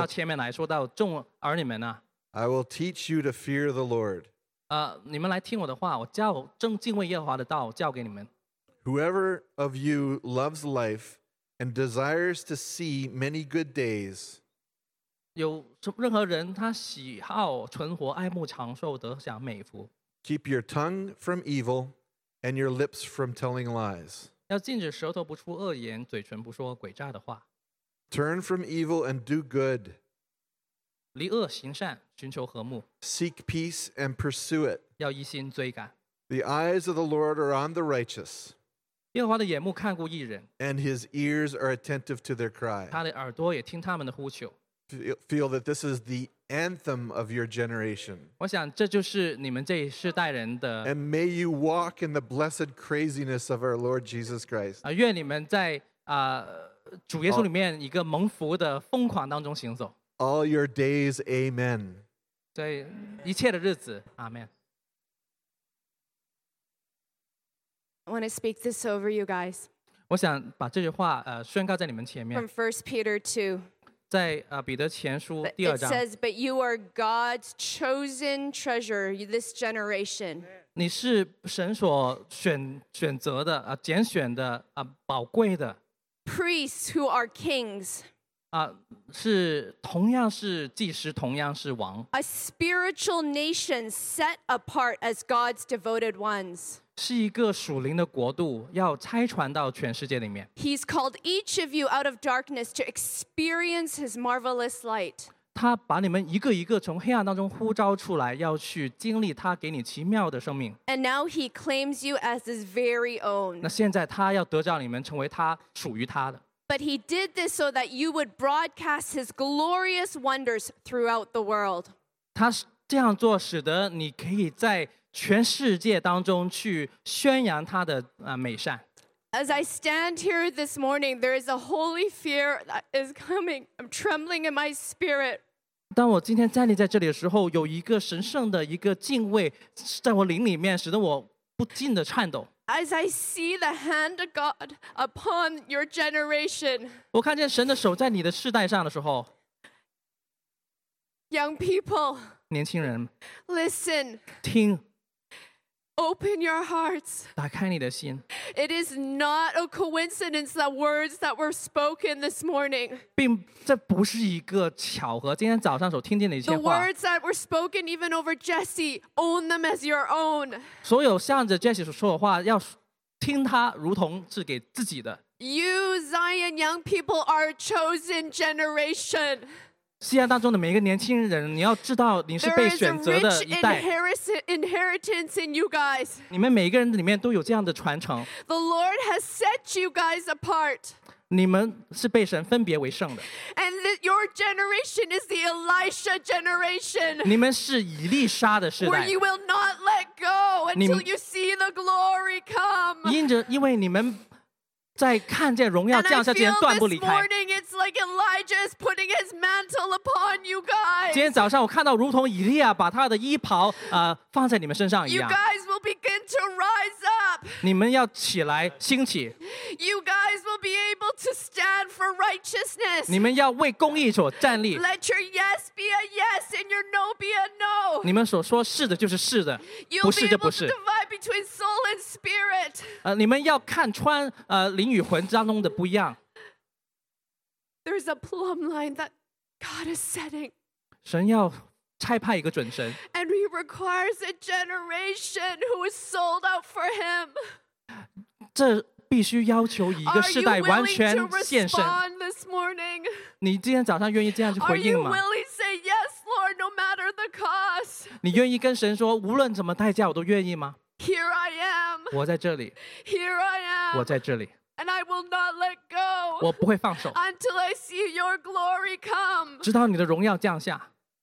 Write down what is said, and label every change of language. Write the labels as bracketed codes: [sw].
[zh] 所以最好最棒就是这些我们的儿女们之前也敲前面来说到众儿女们啊。 [en] I will teach you to fear the Lord. [zh] 你们来听我的话，我教正敬畏耶和华的道教给你们。 [en] Whoever of you loves life and desires to see many good days. [zh] 有任何人他喜好存活，爱慕长寿，得享美福。 [en] Keep your tongue from evil. And your lips from telling lies. [zh] 要禁止舌头不出恶言，嘴唇不说诡诈的话。 [en] Turn from evil and do good. [zh] 离恶行善，寻求和睦。 [en] Seek peace and pursue it. [zh] 要一心追赶。 [en] The eyes of the Lord are on the righteous. [zh] 耶和华的眼目看顾义人。 [en] And his ears are attentive to their cry. [zh] 他的耳朵也听他们的呼求。 [en] Feel that this is the anthem of your generation. [zh] 我想这就是你们这一世代人的。 [en] And may you walk in the blessed craziness of our Lord Jesus Christ. [zh] 愿你们在主耶稣里面一个蒙福的疯狂当中行走。 [en] All your days, amen. [zh] 对，一切的日子 ，amen. [en] I want to speak this over you guys. [zh] 我想把这句话宣告在你们前面。 [en] From 1 Peter 2. [zh] 在彼得前书第二章。 [en] It says, "But you are God's chosen treasure, this generation." [zh] 你是神所选择的拣选的宝贵的。 [en] Priests who are kings. [zh] 是同样是祭司，同样是王。 [en] A spiritual nation set apart as God's devoted ones. [zh] 是一个属灵的国度，要拆传到全世界里面。 [en] He's called each of you out of darkness to experience His marvelous light. [zh] 他把你们一个一个从黑暗当中呼召出来，要去经历他给你奇妙的生命。 [en] And now He claims you as His very own. [zh] 那现在他要得着你们，成为他属于他的。 [en] But he did this so that you would broadcast his glorious wonders throughout the world. [zh] 他这样做使得你可以在全世界当中去宣扬他的美善。 [en] As I stand here this morning, there is a holy fear that is coming. I'm trembling in my spirit. [zh] 当我今天站立在这里的时候，有一个神圣的一个敬畏在我灵里面，使得我不禁的颤抖。 [en] As I see the hand of God upon your generation, [zh] 我看见神的手在你的世代上的时候， [en] young people, [zh] 年轻人， [en] listen, [zh] 听， [en] open your hearts, [zh] 打开你的心。 [en] It is not a coincidence that words that were spoken this morning, [zh] 并这不是一个巧合，今天早上所听见的一些话。 [en] The words that were spoken even over Jesse, own them as your own. [zh] 所有向着 Jesse 所说的话，要听他如同是给自己的。 [en] You Zion young people are a chosen generation. [zh] 西安当中的每一个年轻人，你要知道你是被选择的一代。 [en] There is a rich inheritance in you guys. [zh] 你们每一个人里面都有这样的传承。 [en] The Lord has set you guys apart. [zh] 你们是被神分别为圣的。 [en] And your generation is the Elisha generation. [zh] 你们是以利沙的世代。 [en] Where you will not let go until you see the glory come. [zh] 因为你们在看见荣耀降下之前断不离开。 [en] And I feel this morning it's like Elijah is putting his mantle upon you guys. [zh] 今天早上我看到如同以利亚把他的衣袍放在你们身上一样。 [en] You guys will begin to rise up. [zh] 你们要起来兴起。 [en] You guys will be able to stand for righteousness. [zh] 你们要为公义所站立。 [en] Let your yes be a yes and your no be a no. [zh] 你们所说是的就是是的，不是就不是。 [en] You'll be able to divide between soul and spirit. [zh] 你们要看穿灵与魂当中的不一样。 [en] There's a plumb line that God is setting. [zh] 神要差派一个准神。 [en] And He requires a generation who is sold out for Him. [zh] 这必须要求一个世代完全献身。 [en] Are you willing to respond this morning? [zh] 你今天早上愿意这样去回应吗？ [en] Are you willing to say yes, Lord, no matter the cost? [zh] 你愿意跟神说，无论怎么代价，我都愿意吗？ [en] Here I am. [zh] 我在这里。 [en] Here I am. [zh] 我在这里。 [en] And I will not let go. [zh] 我不会放手。 [en] Until I see your glory come. [zh] 直到你的荣耀降下。